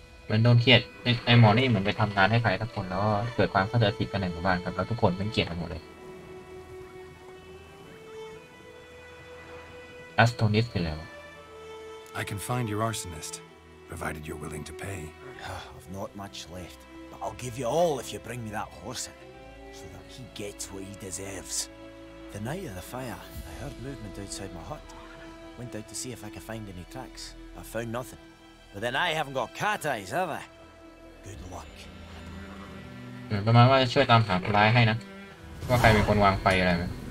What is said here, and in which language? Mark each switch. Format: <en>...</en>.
<th>มันโดนเครียดไอ้หมอนี่เหมือนไปทำงานให้ใครทุกคนแล้วเกิดความเข้าใจผิดกันในหมู่บ้านครับแล้วทุกคนมันเกลียดกันหมดเลยแอสโตนิสไปแล้ว</th> <en>I can find your arsonist provided you're willing to pay I've not much left but I'll give you all if you bring me that horse in so that he gets what he deserves the night of the fire I heard movement outside my hut went out to see if I could find any tracks I found nothingBut then I haven't got cat eyes, have I? Good luck.</en> <th>ประมาณว่าจะช่วยตามหาคนร้ายให้นะว่าใครเป็นคนวางไฟอะไรไหม</th>